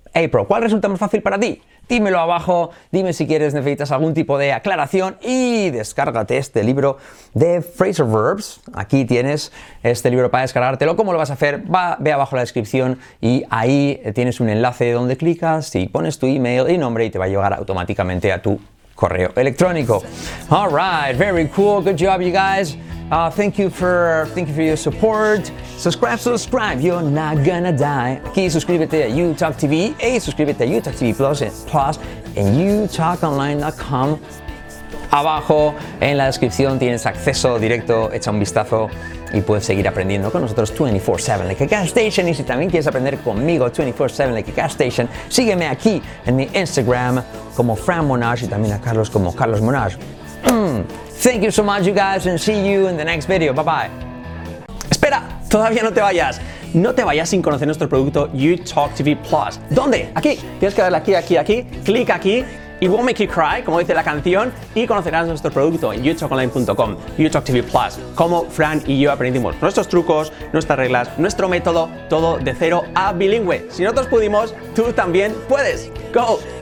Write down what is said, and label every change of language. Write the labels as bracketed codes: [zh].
[es] April, ¿cuál resulta más fácil para ti? Dímelo abajo, dime si quieres, necesitas algún tipo de aclaración y descárgate este libro de Phrasal Verbs. Aquí tienes este libro para descargártelo. ¿Cómo lo vas a hacer? Ve abajo en la descripción y ahí tienes un enlace donde clicas y pones tu email y nombre y te va a llegar automáticamente a tu correo electrónico. [en] All right, very cool. Good job, you guys. Thank you for your support. Subscribe, you're not gonna die. [es] Aquí suscríbete a UTalk TV e suscríbete a UTalk TV Plus en utalkonline.com. Abajo en la descripción tienes acceso directo, echa un vistazo y puedes seguir aprendiendo con nosotros 24/7 [en] like a gas station. [es] Y si también quieres aprender conmigo 24/7 like a gas station, sígueme aquí en mi Instagram como Fran Monash y también a Carlos como Carlos Monash. [en] Thank you so much, you guys, and see you in the next video. Bye bye. [es] Espera, todavía no te vayas. No te vayas sin conocer nuestro producto UTalk TV Plus. ¿Dónde? Aquí. Tienes que darle aquí. Clic aquí. [en] It won't make you cry, [es] como dice la canción, y conocerás nuestro producto en utalkonline.com, UTalk TV Plus, como Fran y yo aprendimos nuestros trucos, nuestras reglas, nuestro método, todo de cero a bilingüe. Si nosotros pudimos, tú también puedes. [en] ¡Go!